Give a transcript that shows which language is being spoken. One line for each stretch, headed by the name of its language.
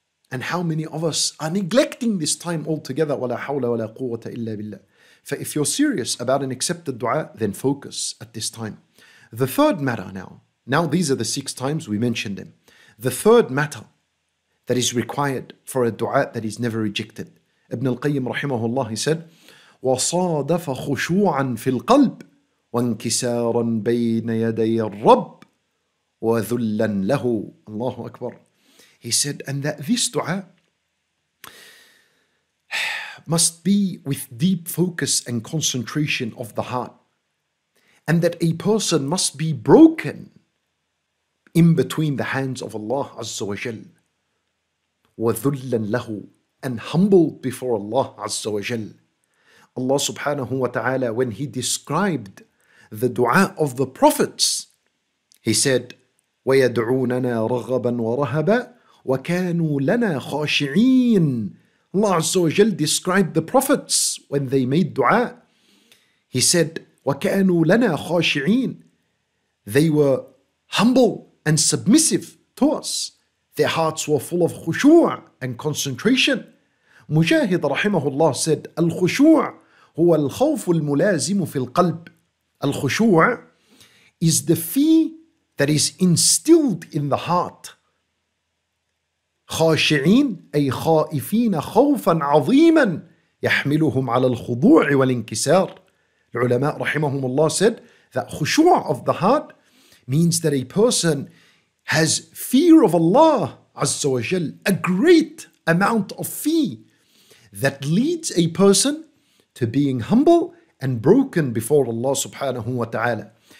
English: And how many of us are neglecting this time altogether?
Arabic: وَلَا حَوْلَ وَلَا قُوَّةَ إِلَّا بِاللَّهِ.
English: For if you're serious about an accepted dua, then focus at this time. The third matter now. Now these are the six times we mentioned them. The third matter that is required for a dua that is never rejected. Ibn al-Qayyim rahimahullah, he said,
Arabic: وَصَادَفَ خُشُوعًا فِي الْقَلْبِ وَانْكِسَارًا بَيْنَ يَدَيَ الرَّبِّ وَذُلًّا لَهُ.
English: Allahu Akbar. He said, and that this dua must be with deep focus and concentration of the heart. And that a person must be broken in between the hands of Allah Azza wa Jal.
Arabic: وَذُلًّا لَهُ.
English: And humbled before Allah Azza wa Jal. Allah subhanahu wa ta'ala, when he described the dua of the prophets, he said,
Arabic: وَيَدْعُونَنَا رَغَبًا وَرَهَبًا وَكَانُوا لَنَا خَاشِعِينَ.
English: Allah Azza wa Jal described the prophets when they made dua. He said,
Arabic: وَكَانُوا لَنَا خَاشِعِينَ.
English: They were humble and submissive to us. Their hearts were full of khushu' and concentration. Mujahid rahimahullah said,
Arabic: الخشوع هو الخوف الملازم في القلب.
English: الخشوع is the fear that is instilled in the heart.
Arabic: خاشعين أي خائفين خوفا عظيما يحملهم على الخضوع والانكسار. العلماء رحمهم الله
English: said that خشوع of the heart means that a person has fear of Allah عز وجل, a great amount of fear that leads a person to being humble and broken before Allah subhanahu wa ta'ala.